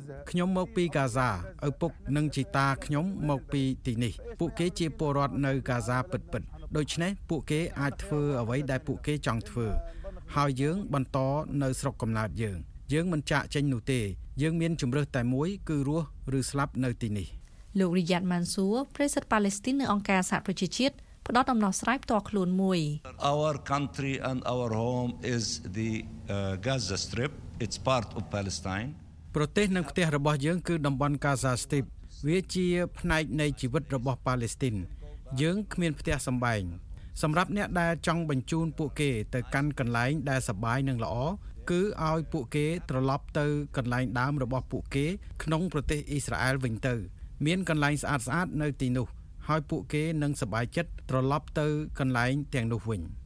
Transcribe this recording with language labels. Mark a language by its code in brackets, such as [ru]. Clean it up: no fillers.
[km] ខ្ញុំមកពីហ្គាហ្សាឪពុកនិងជីតាខ្ញុំមកពីទីនេះពួកគេជាពលរដ្ឋនៅហ្គាហ្សាពិតពិតដូច្នេះពួកគេអាចធ្វើអ្វីដែលពួកគេចង់ធ្វើហើយយើងបន្តនៅស្រុកកំណើតយើងយើងមិនចាកចេញនោះទេយើងមានជម្រើសតែមួយគឺរស់ឬស្លាប់នៅទីនេះ លោករីយ៉ាត់ម៉ាន់ស៊ូប្រធានប៉ាឡេស្ទីននៅអង្គការសហប្រជាជាតិផ្ដល់ដំណោះស្រាយផ្ទាល់ខ្លួនមួយ [en] Our country and our home is the Gaza Strip it's part of Palestine [km] ប្រទេសនិងផ្ទះរបស់យើងគឺតំបន់ Gaza Strip វាជាផ្នែកនៃជីវិតរបស់ប៉ាឡេស្ទីនយើងគ្មានផ្ទះសំបែងសម្រាប់អ្នកដែលចង់បញ្ជូនពួកគេទៅកាន់កន្លែងដែលសុបាយនិងល្អគឺឲ្យពួកគេត្រឡប់ទៅកន្លែងដើមរបស់ពួកគេក្នុងប្រទេសអ៊ីស្រាអែលវិញទៅមានកន្លែងស្អាតស្អាតនៅទីនោះហើយពួកគេនឹងសុបាយចិត្តត្រឡប់ទៅកន្លែងទាំងនោះវិញ